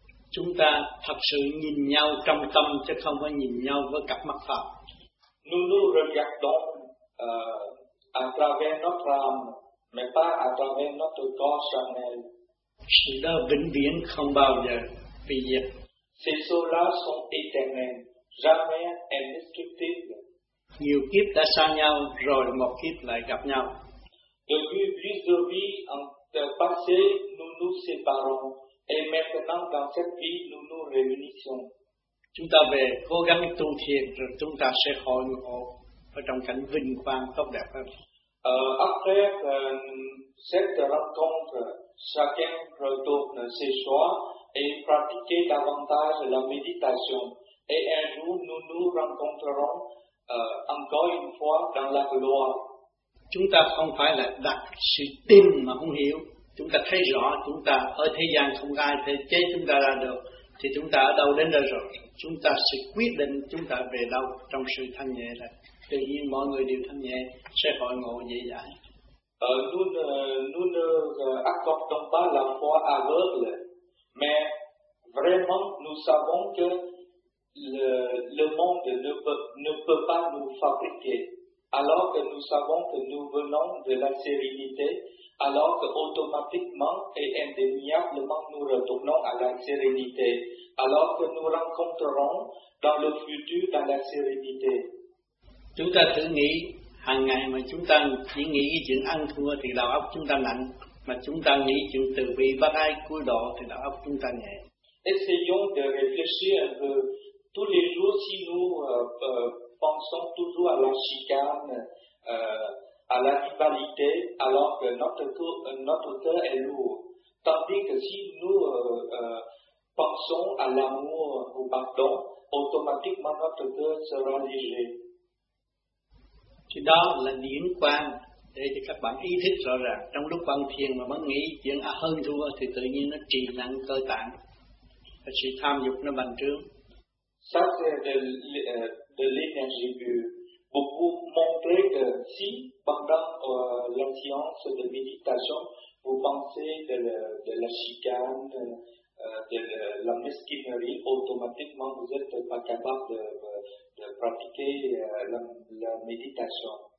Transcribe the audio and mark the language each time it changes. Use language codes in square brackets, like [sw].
[vi] Chúng ta thật sự nhìn nhau trong tâm chứ không phải nhìn nhau với cặp mắt phàm. [fr] Nous nous regardons à travers notre âme, mais pas à travers notre corps charnel. [vi] Sự đó vĩnh viễn không bao giờ bị diệt. [fr] Ces choses-là sont éternelles, jamais indestructibles. [vi] Nhiều kiếp đã xa nhau rồi một kiếp lại gặp nhau. [fr] Depuis plusieurs vies passé, nous nous séparons et maintenant dans cette vie nous nous réunissons. [vi] Chúng ta về cố gắng tu thiền rồi chúng ta sẽ hội ngộ ở trong cảnh vinh quang tốt đẹp hơn. [fr] Après cette rencontre, chacun retourne chez soi et pratique davantage la méditation et un jour nous nous rencontrerons. Encore une fois, dans la gloire. [vi] Chúng ta không phải là đặt sự tin mà không hiểu. Chúng ta thấy rõ chúng ta ở thế gian không ai thể chế chúng ta ra được. Thì chúng ta ở đâu đến đây rồi? Chúng ta sẽ quyết định chúng ta về đâu trong sự thanh nhẹ là tự nhiên mọi người đều thanh nhẹ sẽ hội ngộ dễ dàng. [fr] Nous ne accordons pas la foi aveugle, mais vraiment nous savons que le monde ne peut pas nous fabriquer, alors que nous savons que nous venons de la sérénité, alors que automatiquement et indéniablement nous retournons à la sérénité, alors que nous rencontrerons dans le futur dans la sérénité. [vi] Chúng ta thử nghĩ hàng ngày mà chúng ta chỉ nghĩ chuyện ăn thua thì đầu óc chúng ta lạnh, mà chúng ta nghĩ chuyện từ bi bác ai cứu độ thì đầu óc chúng ta nhẹ. [fr] Essayons de réfléchir un peu. Tous les jours, si nous pensons toujours à la chicane, à la rivalité, alors que notre cœur est lourd. Tandis que si nous pensons à l'amour ou pardon, automatiquement notre cœur sera léger. [vi] Thì đó là điểm quan để cho các bạn ý thức rõ ràng. Trong lúc quan thiền mà mới nghĩ chuyện hơn thua thì tự nhiên nó trì nặng cơ tạng. Và sự tham dục nó bành trướng. [fr] Ça c'est de l'énergie pure. Pour vous montrer que si pendant la séance de méditation, vous pensez de la chicane, de la mesquinerie, automatiquement vous n'êtes pas capable de pratiquer la méditation.